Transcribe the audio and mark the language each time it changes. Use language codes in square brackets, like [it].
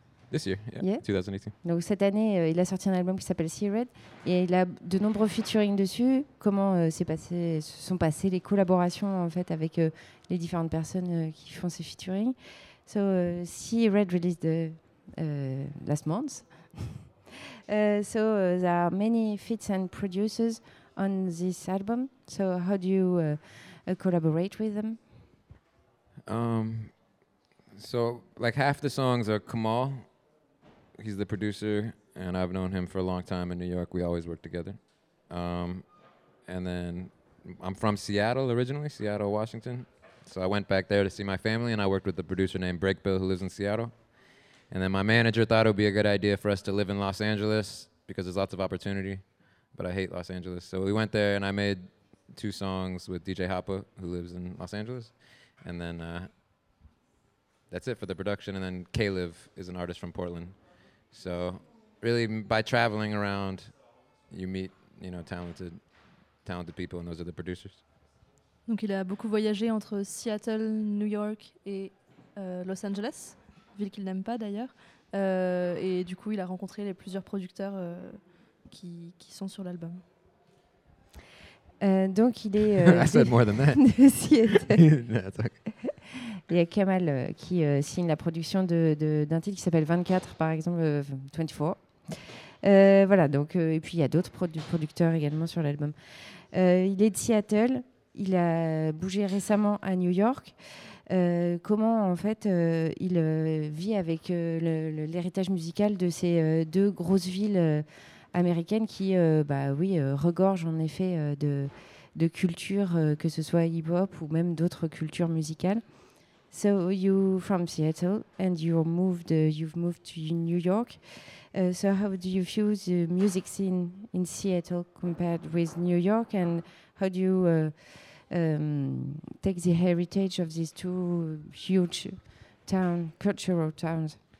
[en] This year, yeah. 2018. [fr] Donc cette année, il a sorti un album qui s'appelle C-Red et il a de nombreux featuring dessus. Comment se sont passées les collaborations en fait avec les différentes personnes qui font ces featuring? [en] So C-Red released last month. So there are many feats and producers on this album. So how do you collaborate with them? So like half the songs are Kamal. He's the producer, and I've known him for a long time in New York. We always work together. And then I'm from Seattle originally, Seattle, Washington. So I went back there to see my family, and I worked with a producer named Break Bill, who lives in Seattle. And then my manager thought it would be a good idea for us to live in Los Angeles because there's lots of opportunity, but I hate Los Angeles. So we went there, and I made two songs with DJ Hoppa, who lives in Los Angeles. And then that's it for the production. And then Caleb is an artist from Portland. So really, by traveling around, you meet, you know, talented people, and those are the producers. [fr] Donc il a beaucoup voyagé entre Seattle, New York et Los Angeles, ville qu'il n'aime pas d'ailleurs. Et du coup, il a rencontré les plusieurs producteurs qui sont sur l'album. Donc il est... [en] I said more than that. Seattle. No, that's okay. [fr] Il y a Kamal qui signe la production d'un titre qui s'appelle 24, par exemple, 24. Voilà, donc, et puis il y a d'autres producteurs également sur l'album. Il est de Seattle, il a bougé récemment à New York. Comment, en fait, il vit avec l'héritage musical de ces deux grosses villes américaines qui, regorgent en effet de culture, que ce soit hip-hop ou même d'autres cultures musicales. [en] So you from Seattle and you've moved to New York. So how do you feel the music scene in Seattle compared with New York, and how do you take the heritage of these two huge cultural towns?